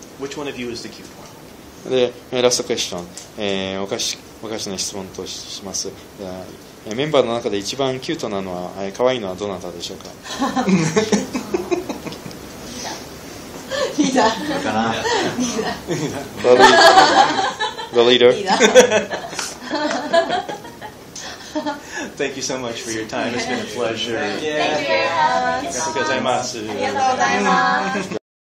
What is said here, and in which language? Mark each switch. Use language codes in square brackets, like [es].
[en] Which one of you is the cute one? [ja] で、ラストクエスチョン。おかしな質問とします。メンバーの中で一番キュートなのは、可愛いのはどなたでしょうか。リーダー。リーダー。リーダー。リーダー。 [en] The leader. Thank you so much for your time. It's been a pleasure. Thank you. [ja] ありがとうございます。ありがとうございます。